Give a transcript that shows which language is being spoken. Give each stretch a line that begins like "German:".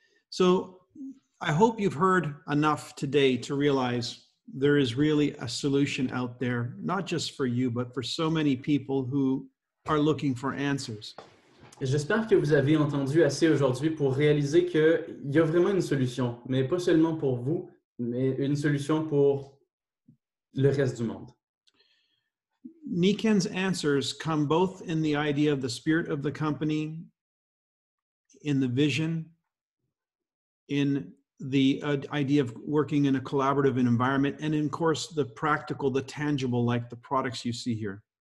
English: So, I hope you've heard enough today to realize there is really a solution out there, not just for you, but for so many people who are looking for answers.
French: J'espère que vous avez entendu assez aujourd'hui pour réaliser qu'il y a vraiment une solution, mais pas seulement pour vous, mais une solution pour le reste du monde.
English: Niken's answers come both in the idea of the spirit of the company, in the vision, in the idea of working in a collaborative environment, and of course, the practical, the tangible, like the products you see here.